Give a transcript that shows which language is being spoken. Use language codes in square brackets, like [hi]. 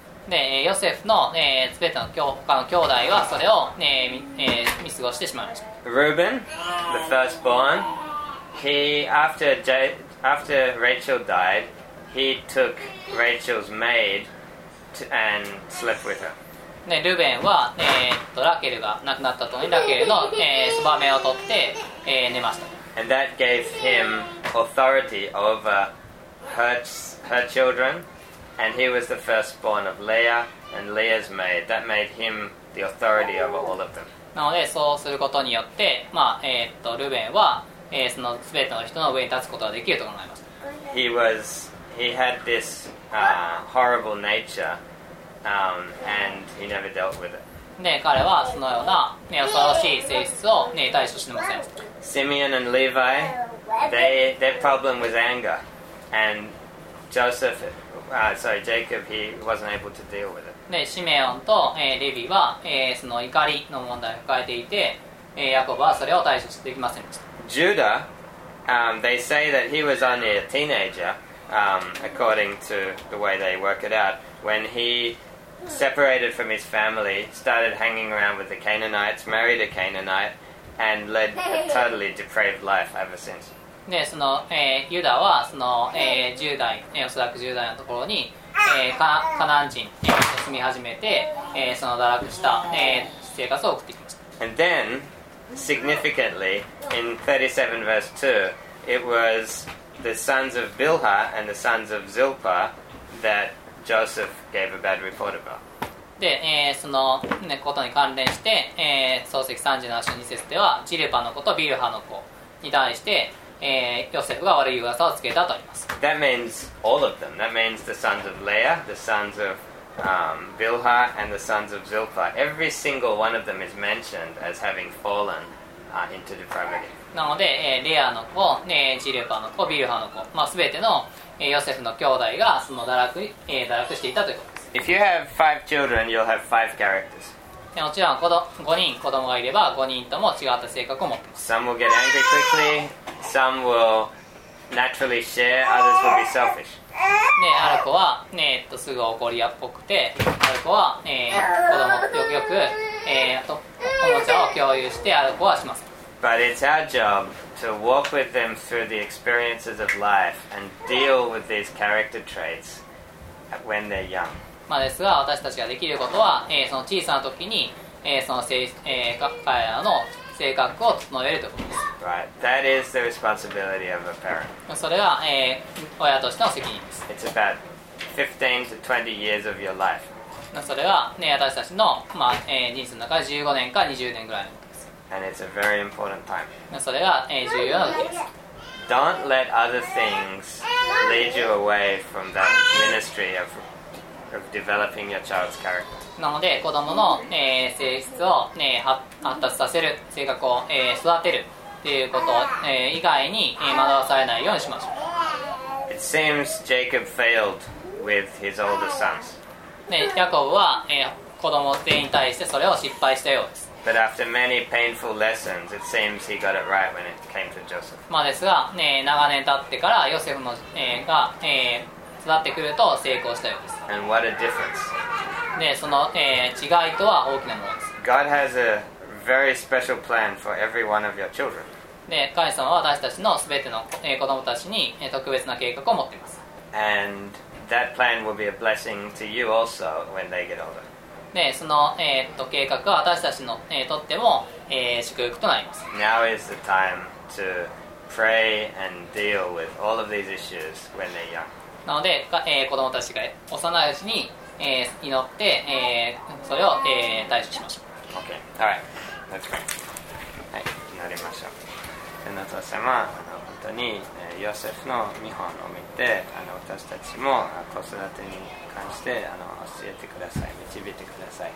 [ja] で、ヨセフの、全ての他の兄弟はそれを、見過ごしてしまいました。 [en] Reuben, the firstborn, after Rachel died, he took Rachel's maid and slept with her. [ja] ね、ルベンは、ラケルが亡くなった後にラケルの、そばめを取って、寝ました。 [en] And that gave him authority over her children, and he was the firstborn of Leah and Leah's maid. That made him the authority over all of them. [ja] なのでそうすることによって、まあルベンは、その全ての人の上に立つことができると考えました。 [en] He had this horrible nature. And he never dealt with it. [ja] ね、彼はそのような、ね、恐ろしい性質を、ね、対処してません。 [en] Simeon and Levi, their problem was anger, and Joseph, Jacob, he wasn't able to deal with it. [ja] ね、シメオンと、レビは、その怒りの問題を抱えていて、ヤコブはそれを対処できませんでした。 [en] Judah, they say that he was only a teenager, according to the way they work it out, when heseparated from his family, started hanging around with the Canaanites, married a Canaanite, and led a totally depraved life ever since. [ja] で、その、ユダはその、10代、おそらく10代のところに、カナン人と住み始めて、その堕落した、生活を送ってきました。 [en] And then, significantly in 37 verse 2, it was the sons of Bilhah and the sons of Zilpah that Joseph gave a bad report about. [ja] で、そのことに関連して、創世記37章2節ではジルパの子とビルハの子に対して、ヨセフが悪い噂をつけたとあります。 [en] That means all of them. That means the sons of Leah, the sons of Bilha, and the sons of Zilpah. Every single one of them is mentioned as having fallen into depravity. [ja] なので、レアの子、ジルパの子、ビルハの子、まあ、全ての、ヨセフの兄弟がその堕落していたということ。 [en] If you have five children, you'll have five characters. [ja] もちろん5人子供がいれば5人とも違った性格を持っています [en] 。 Some will get angry quickly, some will naturally share, others will be selfish. [ja] ある子は、すぐ怒り屋っぽくて、ある子は、子供よく、とおもちゃを共有して、ある子はしません。 [en] But it's our job to walk with them through the experiences of life and deal with these character traits when they're young. [ja] まあ、ですが私たちができることは、その小さな時に、その彼らの性格を整えるということです。 [en] Right. That is the responsibility of a parent. [ja] それが、親としての責任です。 [en] It's about 15 to 20 years of your life. [ja] それは、私たちの、人生の中で15年か20年ぐらいのことです。 [en] And it's a very important time. [ja] それが、重要な時です。 [en] Don't let other things lead you away from that ministry of developing your child's character. [ja] なので子供の、性質を、発達させる性格を、育てるということ、以外に、惑わされないようにしましょう。 [en] It seems Jacob failed with his older sons. [ja] ヤコブは、子供全員に対してそれを失敗したようです。 [en] But after many painful lessons, it seems he got it right when it came to Joseph. [ja] まあですが、長年経ってからヨセフの、が、育ってくると成功したようです。 [en] And what a difference. [ja] で、その、違いとは大きなものです。 [en] God has a very special plan for every one of your children. [ja] で、神様は私たちの全ての、子供たちに、特別な計画を持っています。 [en] And that plan will be a blessing to you also when they get older. [ja] で、その、計画は私たちの、とっても、祝福となります。 [en] Now is the time to pray and deal with all of these issues when they're young. [ja] なので、子供たちが幼いうちに、祈って、それを、対処しましょう。 [en] OK. Alright. Let's pray. [ja] はい、祈りましょう。天のお父様、本当に、ヨセフの見本を見て、私たちも子育てに関して教えてください、導いてください。